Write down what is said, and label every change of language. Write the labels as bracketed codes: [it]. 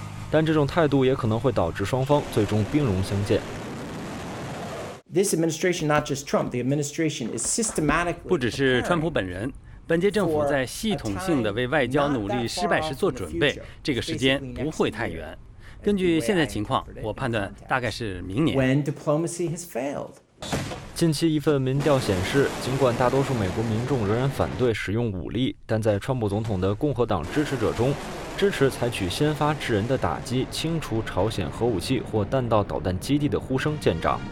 [zh] 但这种态度也可能会导致双方最终兵戎相见。 [en] This administration, not just Trump, the administration is systematically. [zh] 不只是川普本人。本届政府在系统性的为外交努力失败时做准备，这个时间不会太远。根据现在情况，我判断大概是明年。近期一份民调显示，尽管大多数美国民众仍然反对使用武力，但在川普总统的共和党支持者中，支持采取先发制人的打击，清除朝鲜核武器或弹道导弹基地的呼声见长。